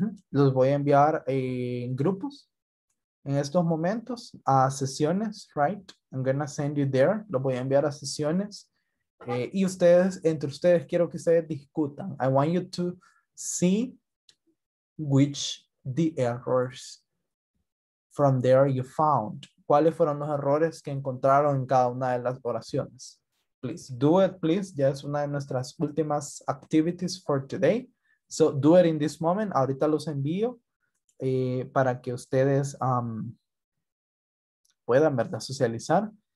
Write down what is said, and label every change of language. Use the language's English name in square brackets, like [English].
[Spanish] Los voy a enviar en grupos en estos momentos a sesiones, right? [English] I'm gonna send you there. [Spanish] Los voy a enviar a sesiones. Y ustedes, entre ustedes, quiero que ustedes discutan. [English] I want you to see which the errors from there you found. [Spanish] ¿Cuáles fueron los errores que encontraron en cada una de las oraciones? [English] Please do it, please. [Spanish] Ya es una de nuestras últimas [English] activities for today. So do it in this moment. [Spanish] Ahorita los envío para que ustedes puedan, ¿verdad?, socializar.